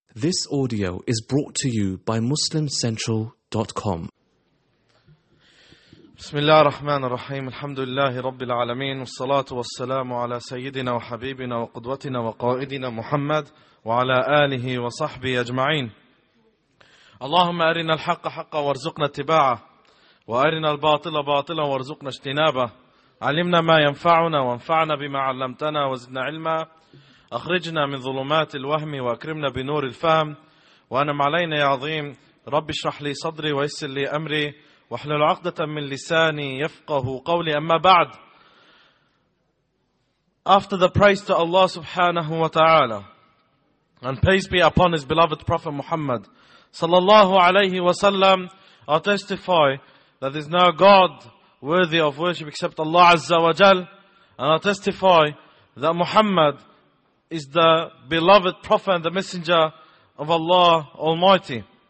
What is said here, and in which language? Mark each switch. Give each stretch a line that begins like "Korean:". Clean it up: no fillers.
English: This audio is brought to you by MuslimCentral.com.
Arabic: بسم الله الرحمن الرحيم الحمد لله رب العالمين والصلاة والسلام على سيدنا وحبيبنا وقدوتنا وقائدنا محمد وعلى آله وصحبه أجمعين. اللهم أرنا الحق حقا وارزقنا اتباعه وأرنا الباطل باطلا وارزقنا اجتنابه علمنا ما ينفعنا وانفعنا بما علمتنا وزدنا علما أخرجنا من ظلمات الوهم وأكرمنا بنور الفهم وأنعم علينا يا عظيم رب اشرح لي صدري ويسر لي أمري واحلل عقدة من لساني يفقه قولي أما بعد.
English: After the praise to Allah subhanahu wa ta'ala and praise be upon his beloved Prophet Muhammad sallallahu alayhi wa sallam, I testify that there is no God worthy of worship except Allah azza wa jal, and I testify that Muhammad is the beloved Prophet and the Messenger of Allah Almighty.